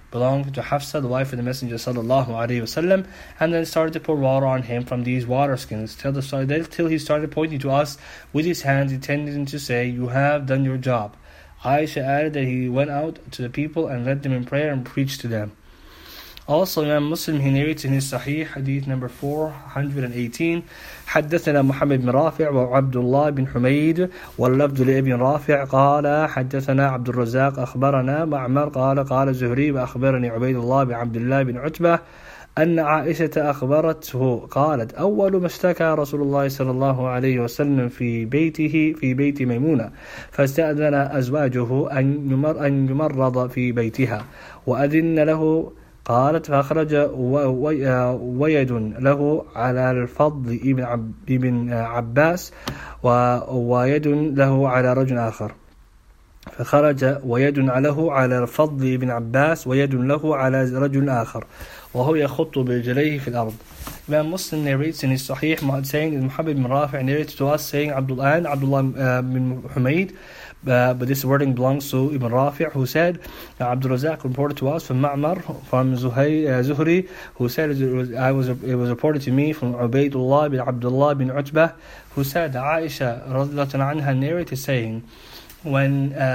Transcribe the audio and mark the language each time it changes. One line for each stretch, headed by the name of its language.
English: belonged to Hafsa, the wife of the Messenger sallallahu alaihi wasallam, and then started to pour water on him from these water skins till he started pointing to us with his hands, intending to say, "You have done your job." Aisha added that he went out to the people and led them in prayer and preached to them. Also, Imam Muslim, he narrates in his Sahih, hadith number 418,
Arabic: حَدَّثَنَا مُحَمَّدْ بِنْ رَافِعُ وَعَبْدُ اللَّهِ بِنْ حُمَيْدُ وَاللَّفْدُ لِأَبْنْ رَافِعُ قَالَ حَدَّثَنَا عَبْدُ الرَّزَّاقُ أَخْبَرَنَا مَعْمَرْ قَالَ زُهْرِي وَأَخْبَرَنِي عُبَيْدُ اللَّهِ بِعَبْدِ اللَّهِ بِنْ عُتْبَةِ أن عائشة أخبرته قالت أول ما اشتكى رسول الله صلى الله عليه وسلم في بيت ميمونة فاستأذن أزواجه أن يمرض في بيتها وأذن له قالت فأخرج ويد له على الفضل ابن عباس ويد له على رجل آخر فخرج ويد له على الفضل ابن عباس ويد له على رجل آخر وهو يخط برجليه في الأرض.
English: Imam Muslim narrates in his Sahih saying that Muhammad bin Rafi' narrated to us saying Abdullah bin Humaid, but this wording belongs to Ibn Rafi' who said Abdul Razak reported to us from Ma'mar from Zuhri who said it was reported to me from Ubaidullah bin Abdullah bin Utbah who said Aisha radiallahu anha narrated saying when